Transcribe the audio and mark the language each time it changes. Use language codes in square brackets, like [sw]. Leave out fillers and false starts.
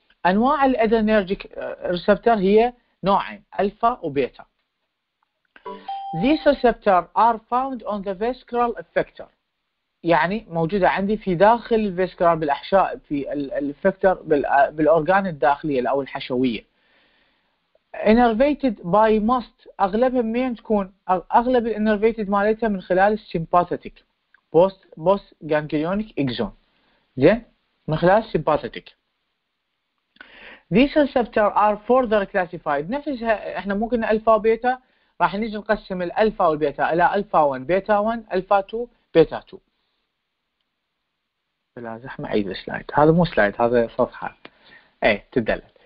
[ar] انواع الادرينرجيك ريسبتور هي نوعين الفا وبيتا. [en] These receptors are found on the vascular effector، [ar] يعني موجودة عندي في داخل الفيسكرال بالأحشاء في الفكتر بالأورغان الداخلية أو الحشوية. [en] innervated by must، [ar] أغلبها منين تكون؟ أغلب innervated مالتها من خلال sympathetic post ganglionic axon. زين، من خلال sympathetic. [en] these receptors are further classified، [ar] نفسها إحنا ممكن ألفا وبيتا، راح نيجي نقسم الألفا والبيتا إلى ألفا 1 بيتا 1 ألفا 2 بيتا 2. بلا زحمة عيد السلايد، هذا مو سلايد، هذا صفحة. إيه تدلل.